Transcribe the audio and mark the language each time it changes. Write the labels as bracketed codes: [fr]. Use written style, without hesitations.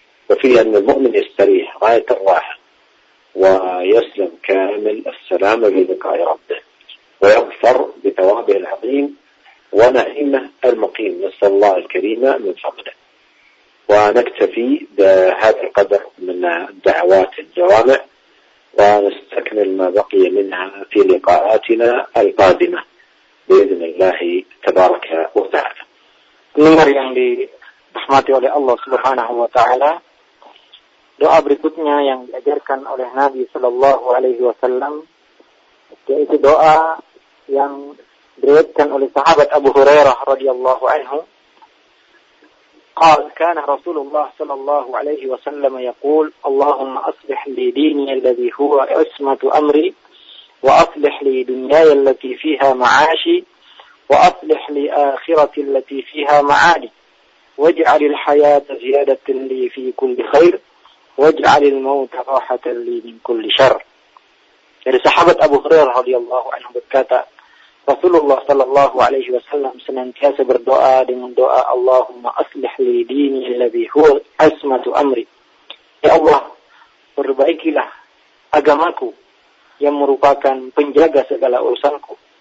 [ar] وفيه أن المؤمن يستريح غاية الراحة ويسلم كامل السلامة للقاء ربه، ويغفر بثوابه العظيم ونعيمه المقيم، نسأل الله الكريم من فضله. ونكتفي بهذا القدر من دعوات الجوامع، و فنستكمل ما بقي منها في لقاءاتنا القادمة بإذن الله تبارك وتعالى. [id] النمر yang dirahmati oleh Allah Subhanahu wa taala. Doa berikutnya yang diajarkan oleh Nabi sallallahu alaihi wasallam yaitu doa yang diriwayatkan oleh sahabat Abu Hurairah radhiyallahu anhu. [ar] قال كان رسول الله صلى الله عليه وسلم يقول اللهم أصلح لي ديني الذي هو عصمة أمري وأصلح لي دنياي التي فيها معاشي وأصلح لي آخرتي التي فيها معادي واجعل الحياة زيادة لي في كل خير واجعل الموت راحة لي من كل شر. يعني صحابة أبو هريرة رضي الله عنه [id] berkata Rasulullah sallallahu alaihi wasallam senantiasa berdoa dengan doa [ar] Allahumma aslih li dini alladhi huwa asmatu amri. [id] Ya Allah, perbaikilah agamaku yang merupakan penjaga segala urusanku.